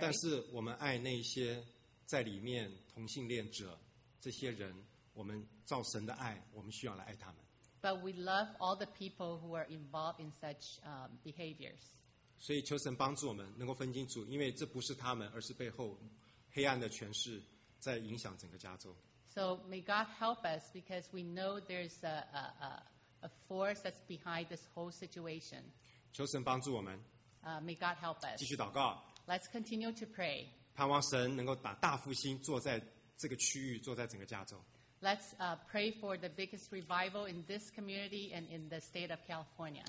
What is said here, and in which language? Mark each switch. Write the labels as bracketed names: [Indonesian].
[Chinese] 但是我们爱那些在里面同性恋者，这些人，我们照神的爱，我们需要来爱他们。 [English] But we love all the people who are involved in such behaviors. [Chinese] 所以求神帮助我们能够分清楚，因为这不是他们，而是背后黑暗的权势在影响整个加州。 [English] So may God help us because we know there's a force that's behind this whole situation. [Chinese] 求神帮助我们。 [English] May God help us. [Chinese] 继续祷告。 [English] Let's continue to pray. [Chinese] 盼望神能够把大复兴做在这个区域，做在整个加州。 [English] Let's pray for the biggest revival in this community and in the state of California.